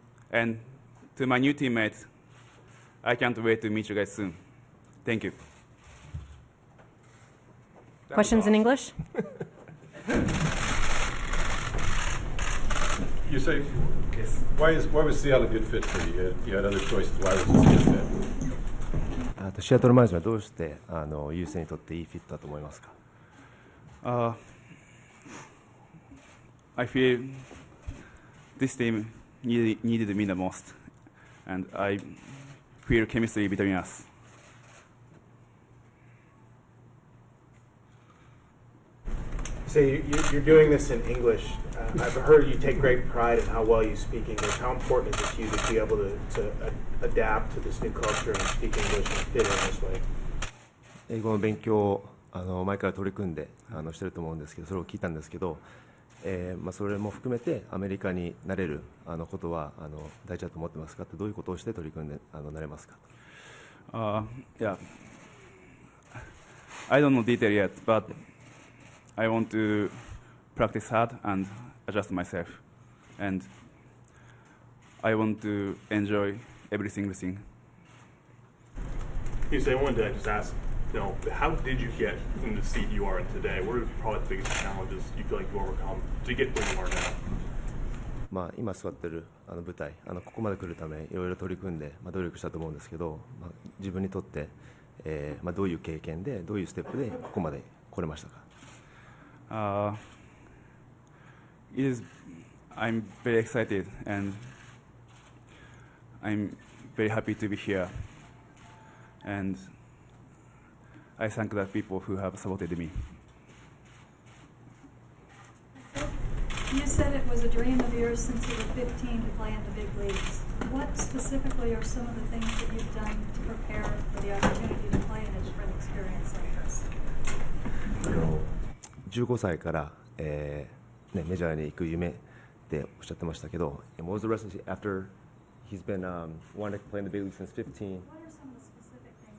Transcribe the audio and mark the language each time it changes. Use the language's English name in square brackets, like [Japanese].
[English] And to my new teammates, I can't wait to meet you guys soon. Thank you. That questions awesome. In English? You say, yes. Why was Seattle a good fit for you? You had other choices. Why was this a good fit? [Japanese] シアトルマリナーズはどうしてあの優勢にとっていいフィットだと思いますか。 [English] I feel this team needed me the most, and I feel chemistry between us. So you're doing this in English. I've heard you take great pride in how well you speak English. How important is it to you to be able to adapt to this new culture and speak English and fit in this way? [Japanese] 英語の勉強あの前から取り組んであのしてると思うんですけど、それを聞いたんですけど、まあ、それも含めてアメリカになれるあのことはあの大事だと思ってますかって、どういうことをして取り組んであのなれますか。 [English] I don't know detail yet, but I want to practice hard and adjust myself. And I want to enjoy every single thing. You say, I wanted to just ask, you know, how did you get in the seat you are in today? What are probably the biggest challenges you feel like you overcome to get where you are now? [Japanese] まあ、今座ってるあの舞台、あのここまで来るためいろいろ取り組んで、まあ、努力したと思うんですけど、まあ、自分にとって、まあ、どういう経験でどういうステップでここまで来れましたか。 [English] I'm very excited and I'm very happy to be here and I thank the people who have supported me. You said it was a dream of yours since you were 15 to play in the big leagues. What specifically are some of the things that you've done to prepare for the opportunity to play in a different experience like this? [Japanese] 15歳から、ね、メジャーに行く夢っておっしゃってましたけど、 [English] And what was the reason after he's been wanting to play in the big leagues since 15? What are some of the specific things he's done to prepare?